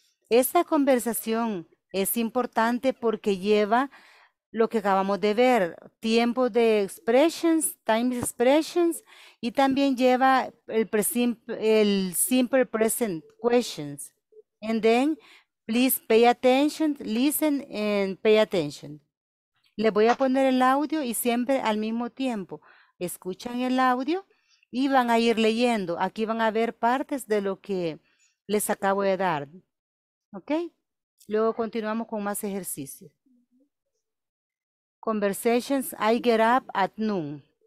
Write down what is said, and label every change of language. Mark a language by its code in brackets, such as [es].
[es] Esta conversación es importante porque lleva lo que acabamos de ver, tiempo de expressions, [en] time expressions, [es] y también lleva el simple present questions. [en] And then, please pay attention, listen and pay attention. [es] Le voy a poner el audio y siempre al mismo tiempo escuchan el audio y van a ir leyendo. Aquí van a ver partes de lo que les acabo de dar. Ok, luego continuamos con más ejercicios. [en] Conversations, I get up at noon.